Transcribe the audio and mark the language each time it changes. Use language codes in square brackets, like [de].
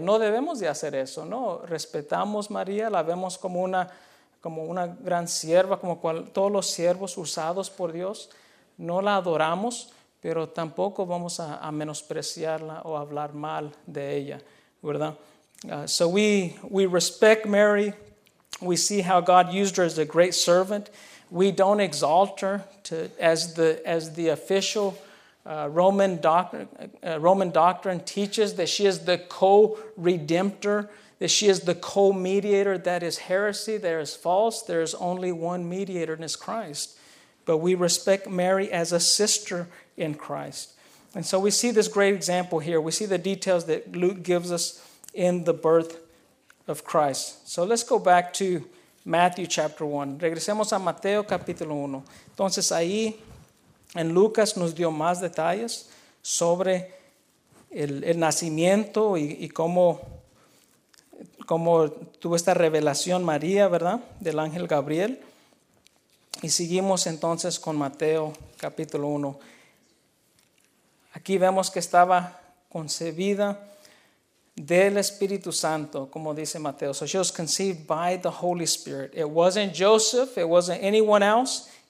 [es] No debemos de hacer eso, ¿no? Respetamos a María, la vemos como una gran sierva, como todos los siervos usados por Dios. No la adoramos, pero tampoco vamos a menospreciarla o hablar mal de ella, ¿verdad? [en] So we respect Mary. We see how God used her as a great servant. We don't exalt her as the official Roman doctrine teaches, that she is the co-redemptor, that she is the co-mediator. That is heresy, that is false. There is only one mediator, and it's Christ. But we respect Mary as a sister in Christ. And so we see this great example here. We see the details that Luke gives us in the birth of Christ. So let's go back to Matthew chapter 1. [es] Regresemos a Mateo capítulo 1. Entonces ahí en Lucas nos dio más detalles sobre el nacimiento y cómo tuvo esta revelación María, ¿verdad? Del ángel Gabriel. Y seguimos entonces con Mateo capítulo 1. Aquí vemos que estaba concebida del Espíritu Santo, como dice Mateo. [en] So she was conceived by the Holy Spirit. It wasn't Joseph, it wasn't anyone else.